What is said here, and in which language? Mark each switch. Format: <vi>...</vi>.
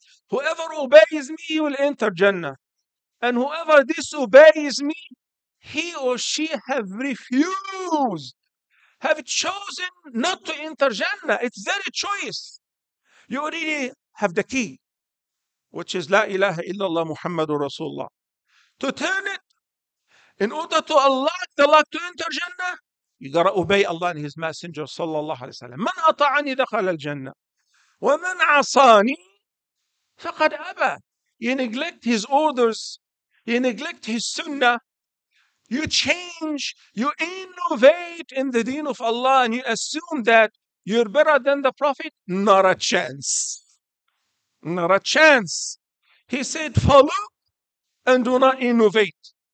<en>Whoever obeys me will enter Jannah. And whoever disobeys me, he or she have refused, have chosen not to enter Jannah. It's their choice. You already have the key, which is La ilaha illallah Muhammadur Rasulullah. To turn it, in order to unlock the lock to enter Jannah, you got to obey Allah and His Messenger sallallahu alayhi wa sallam.</en> <ar>من أطعني دخل الجنة ومن عصاني فقد أبى.</ar> <en>You neglect His orders. You neglect His sunnah. You change, you innovate in the deen of Allah, and you assume that you're better than the Prophet? Not a chance. Not a chance. He said, follow and do not innovate.</en>